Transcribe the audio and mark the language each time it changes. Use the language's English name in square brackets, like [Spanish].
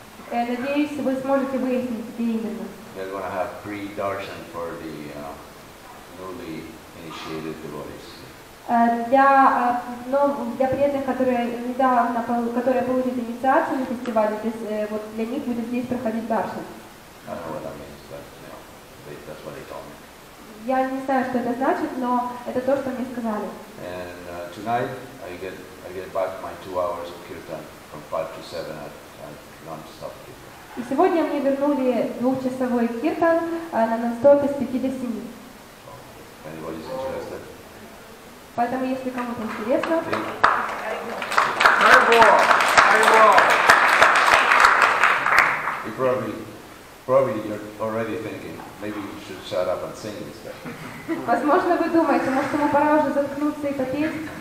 [Russian] Надеюсь, вы сможете выяснить, где именно. [English] They're going to have pre-darshan for the newly initiated devotees. [Russian] Для преданных, которые недавно, которые получат инициацию на фестивале, вот для них будет здесь проходить даршан. [English] I don't know what that means, but you know, that's what they told me. [Russian] Я не знаю, что это значит, но это то, что мне сказали. [English] And tonight I get back my 2 hours of kirtan. From 5 to 7, I non-stop kirtan. [Russian] И сегодня мне вернули двухчасовой киртан на нон-стопе с 5 до 7. [English] Anybody's interested? [Russian] Поэтому, если кому-то интересно. [English] You probably you're already thinking maybe you should shut up and sing instead. [Russian] Возможно, вы думаете, может, ему пора уже заткнуться и попеть?